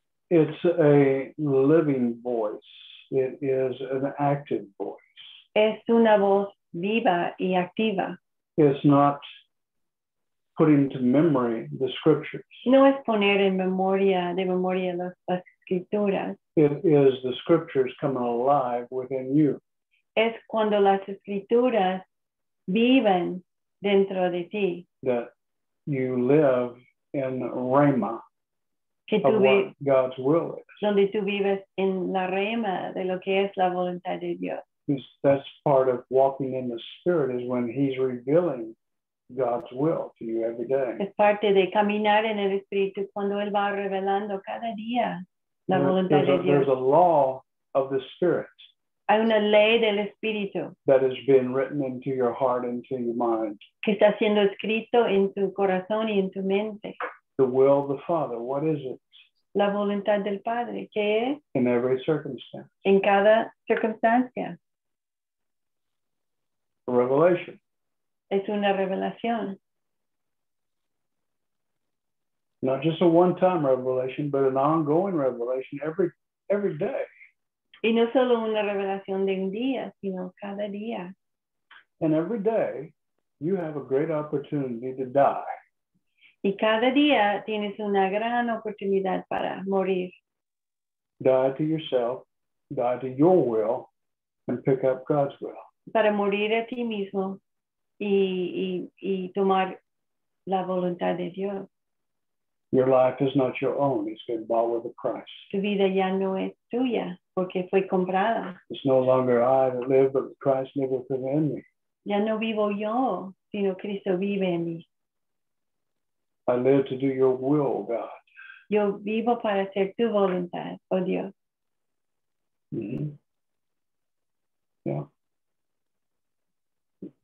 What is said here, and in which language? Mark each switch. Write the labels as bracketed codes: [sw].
[en] It's a living voice. It is an active voice. [es] Es una voz viva y activa. [en] Is not putting to memory the scriptures. [es] No es poner en memoria, de memoria las escrituras. [en] It is the scriptures coming alive within you. [es] Es cuando las escrituras viven dentro de ti. [en] That you live in rhema of what God's will is. [es] Donde tú vives en la rhema de lo que es la voluntad de Dios. [en] That's part of walking in the Spirit, is when He's revealing God's will to you every day. [es] Es parte de caminar en el Espíritu cuando Él va revelando cada día la voluntad de Dios. [en] There's a law of the Spirit. [es] Hay una ley del Espíritu. [en] That has been written into your heart and into your mind. [es] Que está siendo escrito en tu corazón y en tu mente. [en] The will of the Father, what is it? [es] La voluntad del Padre, ¿qué es? [en] In every circumstance. [es] En cada circunstancia. [en] A revelation. [es] Es una revelación. [en] Not just a one-time revelation, but an ongoing revelation every day. [es] Y no solo una revelación de un día, sino cada día. [en] And every day, you have a great opportunity to die. [es] Y cada día tienes una gran oportunidad para morir. [en] Die to yourself, die to your will, and pick up God's will. [es] Para morir a ti mismo y tomar la voluntad de Dios. [en] Your life is not your own, it's been bought with a price. [es] Tu vida ya no es tuya, porque fue comprada. [en] It's no longer I that live, but Christ liveth within me. [es] Ya no vivo yo, sino Cristo vive en mí. [en] I live to do your will, God. [es] Yo vivo para hacer tu voluntad, oh Dios. Mm-hmm. Yeah.